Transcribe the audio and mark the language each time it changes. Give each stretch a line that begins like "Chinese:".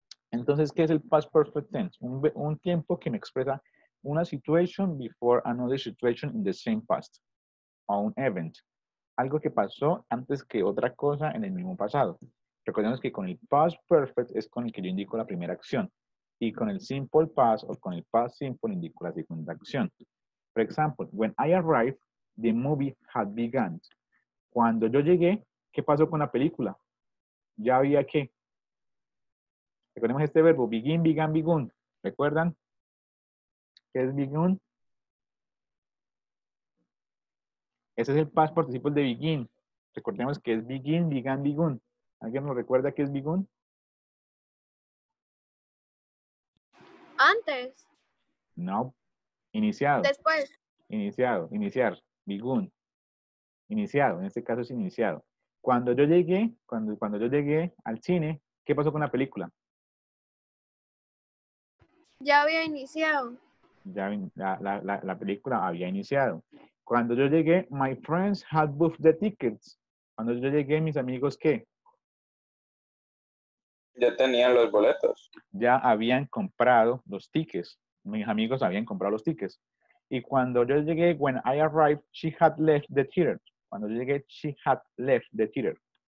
Spanish: Entonces, ¿qué es el past perfect tense? Un tiempo que me expresa una
English: situation before another situation in the same past.
Spanish: O un event. Algo que pasó antes que otra cosa en el mismo pasado. Recordemos que con el past perfect es con el que yo indico la primera acción. Y con el simple past o con el past simple indico la segunda acción.
English: For example, when I arrived, the movie had begun.
Spanish: Cuando yo llegué, ¿qué pasó con la película? Ya había qué. Recordemos este verbo, begin, began, begun. ¿Recuerdan? ¿Qué es begun? Ese es el past participle de begin. Recordemos que es begin, began, begun. ¿Alguien nos recuerda qué es begun? Antes. No. Iniciado. Después. Iniciado. Iniciar. Begun. Iniciado. En este caso es iniciado. Cuando yo llegué, cuando yo llegué al cine, ¿qué pasó con la película? Ya había iniciado. Ya la película había iniciado. Cuando yo llegué,
English: my friends had booked the tickets.
Spanish: Cuando yo llegué, mis amigos, ¿qué? Ya tenían los boletos. Ya habían comprado los tickets. Mis amigos habían comprado los tickets. Y cuando yo llegué,
English: when I arrived, she had left the theater.
Spanish: Cuando yo llegué,
English: she had left the theater.